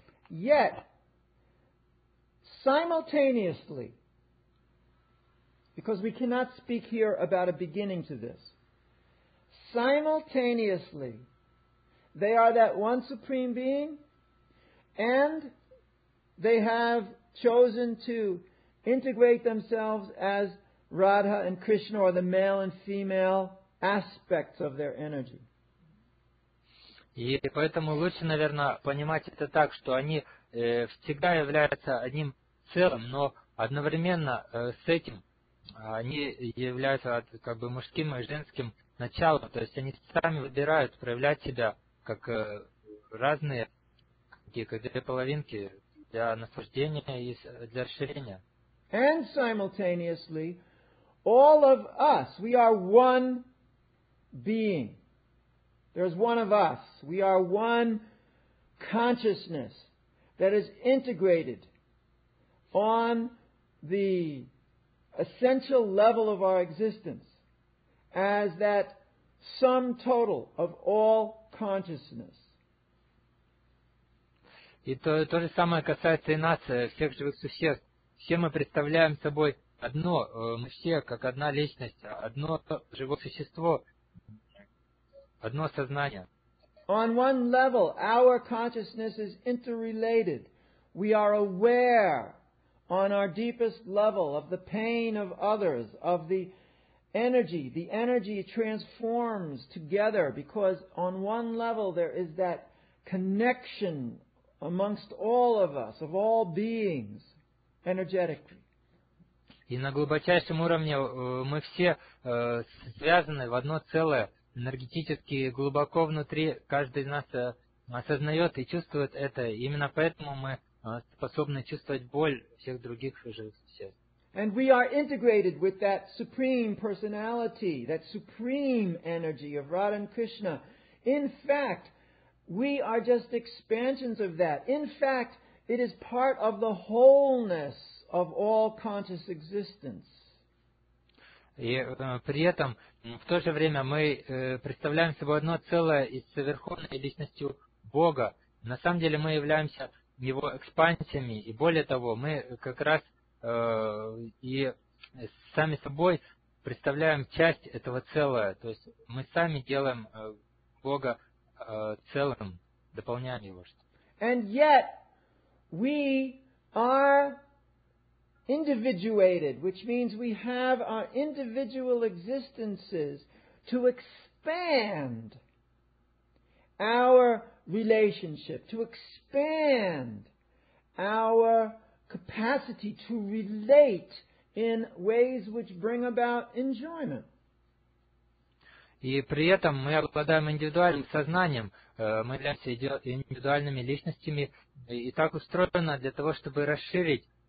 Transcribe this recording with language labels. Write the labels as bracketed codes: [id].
[en] Yet, simultaneously, because we cannot speak here about a beginning to this, simultaneously, they are that one supreme being, and they have chosen to integrate themselves as Radha and Krishna, or the male and female aspects of their energy. [ru] И поэтому лучше, наверное, понимать это так, что они всегда являются одним целым, но одновременно с этим они являются как бы мужским и женским началом. То есть они сами выбирают проявлять себя как разные, как две половинки для наслаждения и для расширения. [en] And simultaneously, all of us, we are one being. There's one of us. We are one consciousness that is integrated on the essential level of our existence as that sum total of all consciousness. [ru] И то же самое касается и нас, всех живых существ. Все мы представляем собой одно, мы все как одна личность, одно живое существо. Одно сознание. [en] On one level, our consciousness is interrelated. We are aware on our deepest level of the pain of others, of the energy. The energy transforms together because on one level there is that connection amongst all of us, of all beings, energetically. [ru] И на глубочайшем уровне мы все связаны в одно целое. Энергетически глубоко внутри каждый из нас осознает и чувствует это. Именно поэтому мы способны чувствовать боль всех других живых существ. [en] And we are integrated with that supreme personality, that supreme energy of Radha and Krishna. In fact, we are just expansions of that. In fact, it is part of the wholeness of all conscious existence. [ru] И при этом, в то же время, мы представляем собой одно целое и с верховной личностью Бога. На самом деле мы являемся Его экспансиями, и более того, мы как раз и сами собой представляем часть этого целого. То есть мы сами делаем Бога целым, дополняем Его. [en] And yet, we are individuated, which means we have our individual existences to expand our relationship, to expand our capacity to relate in ways which bring about enjoyment. [ru] И при этом мы обладаем индивидуальным сознанием, мы являемся индивидуальными личностями, и так устроено для того, чтобы расширить.